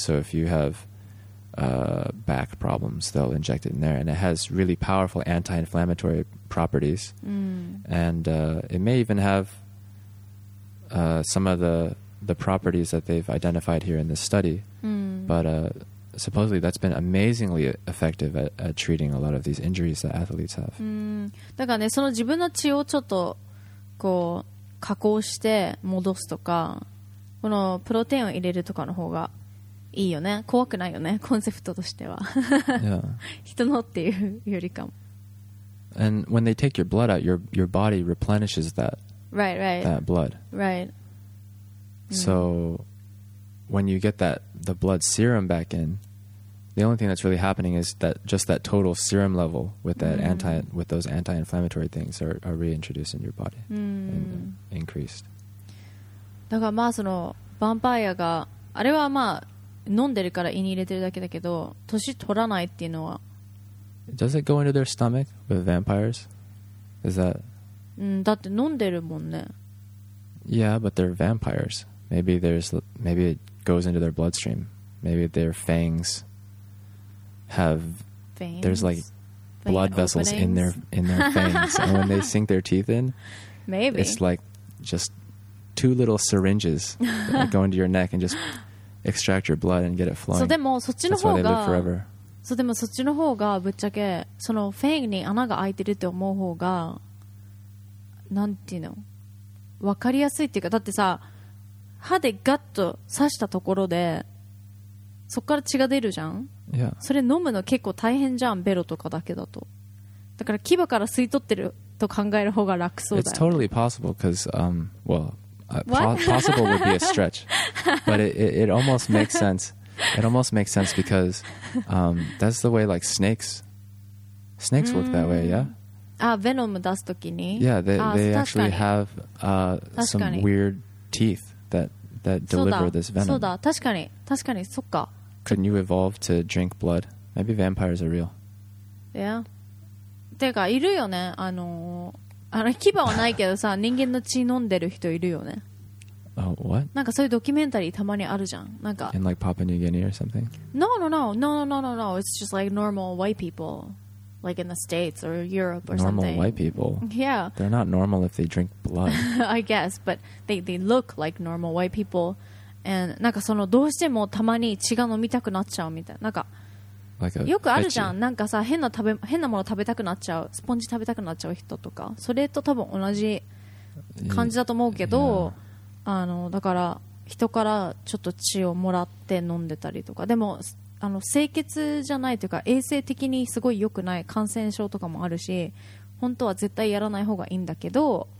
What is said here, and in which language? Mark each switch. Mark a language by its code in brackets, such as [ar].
[en] So if you have back problems, they'll inject it in there, and it has really powerful anti-inflammatory properties and it may even haveSome of the properties that they've identified here in this study, but supposedly that's been amazingly effective at treating a lot of these injuries that athletes have. [ja] だからね、その自分の血をちょっとこう加工して戻すとか、このプロテインを入れるとかの方がいいよね。怖くないよね、コンセプトとしては。人のっていうよりかも。 [en] And when they take your blood out, your body replenishes that. Right. That blood. Right. So, when you get the blood serum back in, the only thing that's really happening is that just that total serum level with that with those anti-inflammatory things are reintroduced in your body and increased. [ja] だからまあそのヴァンパイアがあれはまあ飲んでるから胃に入れてるだけだけど年取らないっていうのは。 [en] Does it go into their stomach with vampires? Is that? [ja] だって飲んでるもんね。 [en] Yeah, but they're vampires. Maybe it goes into their bloodstream. Maybe their fangs have fangs? There's like blood Vein vessels openings? in their fangs, and when they sink their teeth in, maybe it's like just two little syringes that go into your neck and just extract your blood and get it flowing. [ja] So, でもそっちの方が [en] That's why they live forever. [ja] So, でもそっちの方がぶっちゃけそのフェインに穴が開いてるって思う方が。なんていうの分かりやすいっていうかだってさ歯でガッと刺したところでそっから血が出るじゃん、 [en] yeah. [ja] それ飲むの結構大変じゃんベロとかだけだとだから牙から吸い取ってると考える方が楽そうだよ [en] It's totally possible because possible would be a stretch but it almost makes sense it almost makes sense because that's the way like snakes work that way yeah [ja] ああ、ベノム出すときに? [en] Yeah, they actually have some weird teeth that deliver this venom. [ja] そうだ、確かに、確かに、そっか。 [en] Couldn't you evolve to drink blood? Maybe vampires are real. [ja] Yeah. てか、いるよね、あの、あの牙はないけどさ、人間の血飲んでる人いるよね。 [en] Oh, what? [ja] なんかそういうドキュメンタリーたまにあるじゃん。なんか [en] In like Papua New Guinea or something? No, no, no, no, no, no, no, no. It's just like normal white people, like in the States or Europe or normal something. Normal white people. Yeah. They're not normal if they drink blood. I guess, but they look like normal white people. [ja] And なんかそのどうしてもたまに血が飲みたくなっちゃうみたいな。なんか、 [en] like、 [ja] よくあるじゃん。なんかさ変なもの食べたくなっちゃう、スポンジ食べたくなっちゃう人とか、それと多分同じ感じだと思うけど。 [en] Yeah. [ja] あのだから人からちょっと血をもらって飲んでたりとか、でもあの清潔じゃないというか衛生的にすごい良くない、感染症とかもあるし、本当は絶対やらない方がいいんだけど。